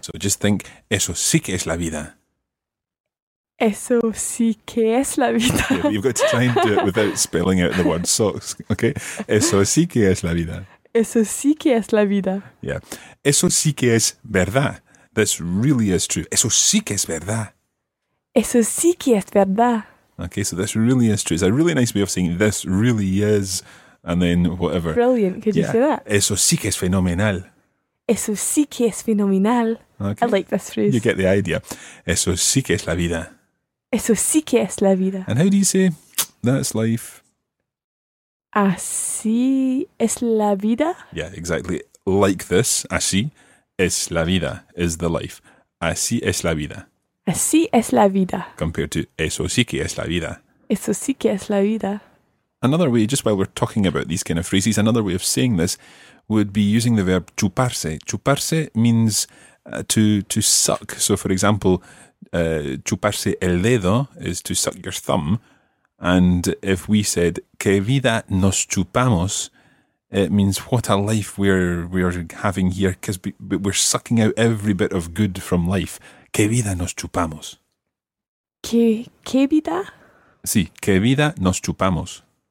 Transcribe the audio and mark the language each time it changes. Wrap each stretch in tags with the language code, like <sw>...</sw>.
<en>So just think,</en> <es>eso sí que es la vida. Eso sí que es la vida.</es> <en>You've got to try and do it without spelling out the word socks, okay?</en> <es>Eso sí que es la vida. Eso sí que es la vida.</es> <en>Yeah.</en> <es>Eso sí que es verdad.</es> <en>This really is true.</en> <es>Eso sí que es verdad. Eso sí que es verdad.</es> <en>Okay, so this really is true. It's a really nice way of saying this really is, and then whatever. Brilliant. Could yeah. you say that?</en> <es>Eso sí que es fenomenal. Eso sí que es fenomenal.</es> <en>Okay. I like this phrase. You get the idea.</en> <es>Eso sí que es la vida. Eso sí que es la vida.</es> <en>And how do you say, that's life?</en> <es>Así es la vida.</es> <en>Yeah, exactly. Like this,</en> <es>así es la vida,</es> <en>is the life.</en> <es>Así es la vida. Así es la vida.</es> <en>Compared to</en> <es>eso sí que es la vida. Eso sí que es la vida.</es> <en>Another way, just while we're talking about these kind of phrases, another way of saying this would be using the verb chuparse. Chuparse means to suck. So, for example,</en> <es>chuparse el dedo</es> <en>is to suck your thumb. And if we said</en> <es>que vida nos chupamos,</es> <en>it means what a life we're having here, because we're sucking out every bit of good from life.</en> <es>Que vida nos chupamos. Que vida? Sí, que vida nos chupamos.</es>